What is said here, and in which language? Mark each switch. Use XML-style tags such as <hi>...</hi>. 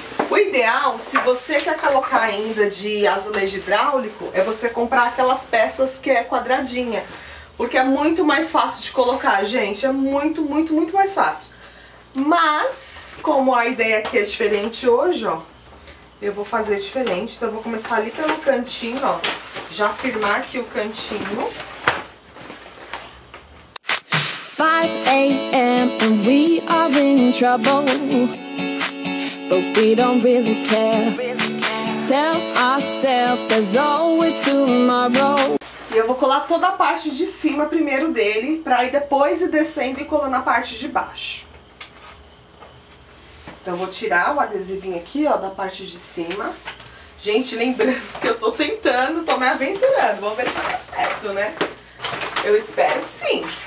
<pt>O ideal, se você quer colocar ainda de azulejo hidráulico, é você comprar aquelas peças que é quadradinha, porque é muito mais fácil de colocar, gente. É muito, muito, muito mais fácil. Mas, como a ideia aqui é diferente hoje, ó, eu vou fazer diferente. Então, eu vou começar ali pelo cantinho, ó, já firmar aqui o cantinho.</pt> <en>5 AM and we are in trouble, but we don't really care. Tell ourselves there's always tomorrow.</en> <pt>E eu vou colar toda a parte de cima primeiro dele, pra ir depois ir descendo e colando a parte de baixo. Então, eu vou tirar o adesivinho aqui, ó, da parte de cima. Gente, lembrando que eu tô tentando, tô me aventurando. Vamos ver se vai dar certo, né? Eu espero que sim.</pt>